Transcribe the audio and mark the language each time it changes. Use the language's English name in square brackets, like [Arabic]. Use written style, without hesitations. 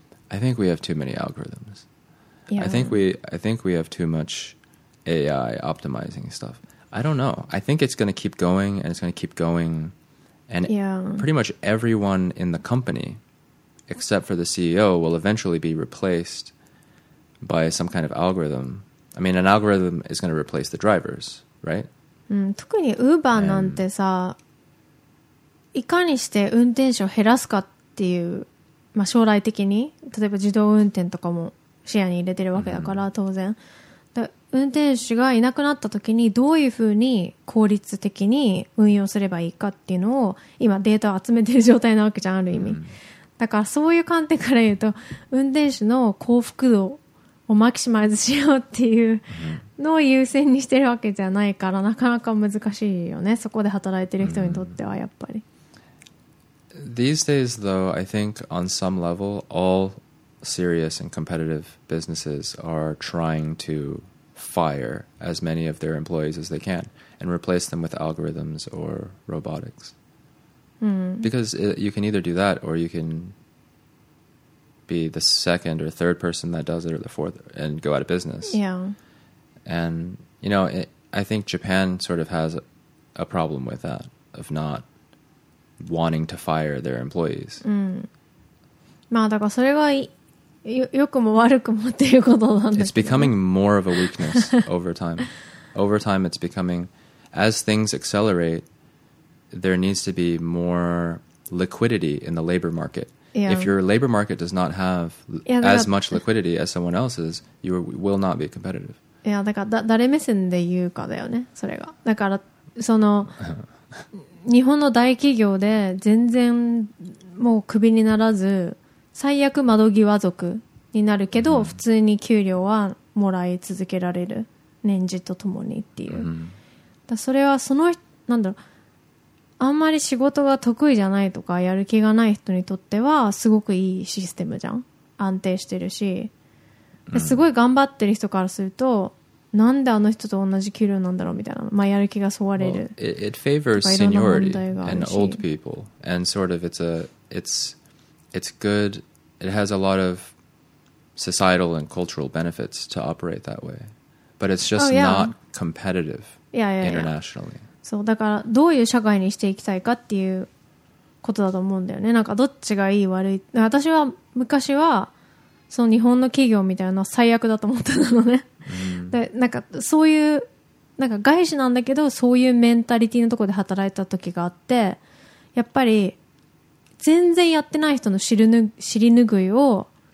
[English] I think we have too many algorithms. Yeah. I think we have too much AI optimizing stuff. I don't know. I think it's going to keep going and it's going to keep going. And pretty much everyone in the company, except for the CEO, will eventually be replaced by some kind of algorithm. I mean, an algorithm is going to replace the drivers, right? [Japanese] 特に Uber なんてさ、いかにして運転手を減らすかっていう、まあ、将来的に例えば自動運転とかも視野に入れてるわけだから当然、だ運転手がいなくなった時にどういうふうに効率的に運用すればいいかっていうのを今データを集めてる状態なわけじゃん、ある意味。だからそういう観点から言うと運転手の幸福度をマキシマイズしようっていうのを優先にしてるわけじゃないから、なかなか難しいよね、そこで働いてる人にとってはやっぱり。 [English] These days, though, I think on some level, all serious and competitive businesses are trying to fire as many of their employees as they can and replace them with algorithms or robotics. Because you can either do that or you can be the second or third person that does it or the fourth and go out of business. And, you know, I think Japan sort of has a problem with that, of not. wanting to fire their employees. [Japanese] まあだからそれが良くも悪くもっていうことなんだけど。 [English] It's becoming more of a weakness over time. Over time, it's becoming, as things accelerate, there needs to be more liquidity in the labor market. If your labor market does not have as much liquidity as someone else's, you will not be competitive. [Japanese] いやだから誰目線で言うかだよね、それが。だからその。日本の大企業で全然もうクビにならず、最悪窓際族になるけど普通に給料はもらい続けられる、年次とともにっていう、だそれはそのなんだろう、あんまり仕事が得意じゃないとかやる気がない人にとってはすごくいいシステムじゃん、安定してるし、すごい頑張ってる人からするとなんであの人と同じ給料なんだろうみたいな、まあ、やる気がそわれる。 [English] Well, it favors seniority and old people and sort of it's good, it has a lot of societal and cultural benefits to operate that way, but it's just not competitive internationally. [Japanese] そうだからどういう社会にしていきたいかっていうことだと思うんだよね。なんかどっちがいい悪い、私は昔はその日本の企業みたいな最悪だと思ってたのね。でなんかそういうなんか外資なんだけどそういうメンタリティのところで働いた時があって、やっぱり全然やってない人の尻拭いを、